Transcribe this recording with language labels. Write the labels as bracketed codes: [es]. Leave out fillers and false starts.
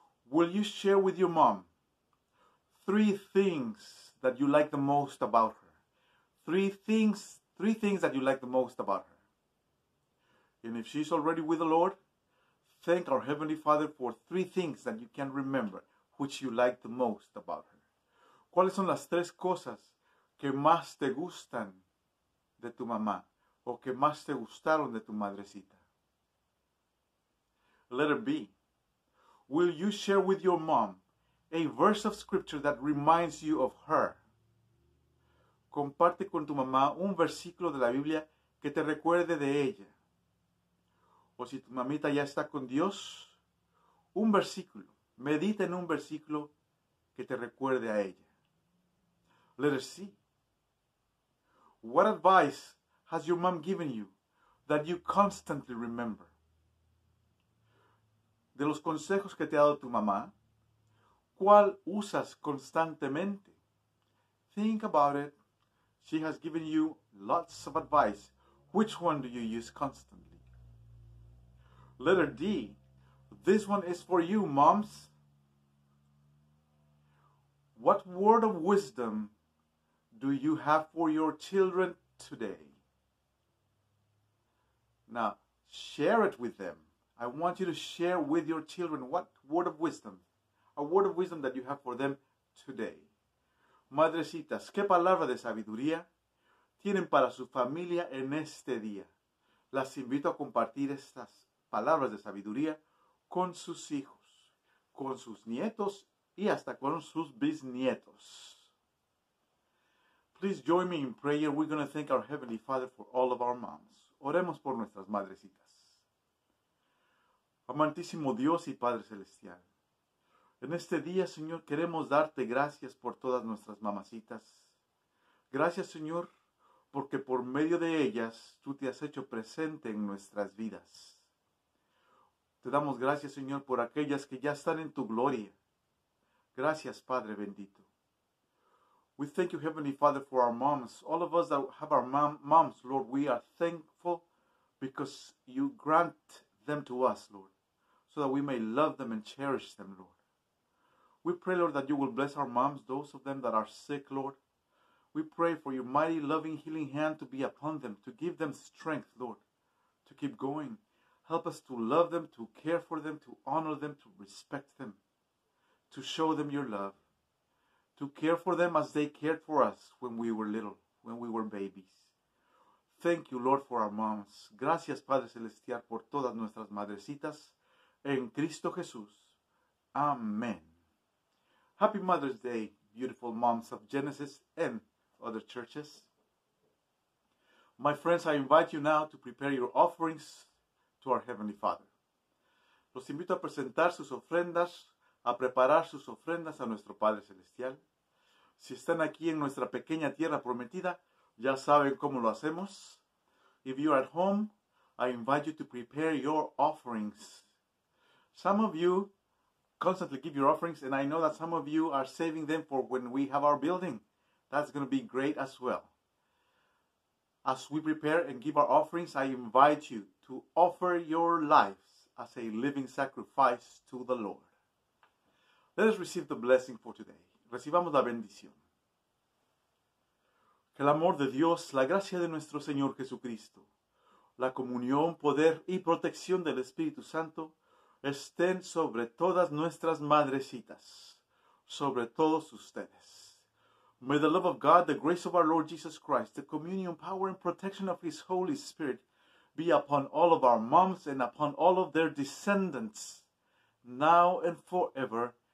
[en] Will you share with your mom three things that you like the most about her? Three things that you like the most about her. And if she's already with the Lord, thank our Heavenly Father for three things that you can remember which you like the most about her. [es] ¿Cuáles son las tres cosas que más te gustan de tu mamá o que más te gustaron de tu madrecita? [en] Letter B. Will you share with your mom a verse of scripture that reminds you of her? [es] Comparte con tu mamá un versículo de la Biblia que te recuerde de ella. O si tu mamita ya está con Dios, un versículo. Medita en un versículo que te recuerde a ella. [en] Letter C. What advice has your mom given you that you constantly remember? [es] De los consejos que te ha dado tu mamá, ¿cuál usas constantemente? [en] Think about it. She has given you lots of advice. Which one do you use constantly? Letter D. This one is for you, moms. What word of wisdom do you have for your children today? Now, share it with them. I want you to share with your children what word of wisdom, a word of wisdom that you have for them today. [es] Madrecitas, ¿qué palabra de sabiduría tienen para su familia en este día? Las invito a compartir estas palabras de sabiduría con sus hijos, con sus nietos y hasta con sus bisnietos. [en] Please join me in prayer. We're going to thank our Heavenly Father for all of our moms. [es] Oremos por nuestras madrecitas. Amantísimo Dios y Padre Celestial, en este día, Señor, queremos darte gracias por todas nuestras mamacitas. Gracias, Señor, porque por medio de ellas tú te has hecho presente en nuestras vidas. Te damos gracias, Señor, por aquellas que ya están en tu gloria. Gracias, Padre bendito. [en] We thank you, Heavenly Father, for our moms. All of us that have our moms, Lord, we are thankful because you grant them to us, Lord, so that we may love them and cherish them, Lord. We pray, Lord, that you will bless our moms, those of them that are sick, Lord. We pray for your mighty, loving, healing hand to be upon them, to give them strength, Lord, to keep going. Help us to love them, to care for them, to honor them, to respect them, to show them your love, to care for them as they cared for us when we were little, when we were babies. Thank you, Lord, for our moms. [es] Gracias, Padre Celestial, por todas nuestras madrecitas. En Cristo Jesús. Amén. [en] Happy Mother's Day, beautiful moms of Genesis and other churches. My friends, I invite you now to prepare your offerings to our Heavenly Father. [es] Los invito a presentar sus ofrendas, a preparar sus ofrendas a nuestro Padre Celestial. Si están aquí en nuestra pequeña tierra prometida, ya saben cómo lo hacemos. [en] If you are at home, I invite you to prepare your offerings. Some of you constantly give your offerings, and I know that some of you are saving them for when we have our building. That's going to be great as well. As we prepare and give our offerings, I invite you to offer your lives as a living sacrifice to the Lord. Let us receive the blessing for today. [es] Recibamos la bendición. Que el amor de Dios, la gracia de nuestro Señor Jesucristo, la comunión, poder y protección del Espíritu Santo estén sobre todas nuestras madrecitas, sobre todos ustedes. [en] May the love of God, the grace of our Lord Jesus Christ, the communion, power, and protection of His Holy Spirit be upon all of our moms and upon all of their descendants, now and forever.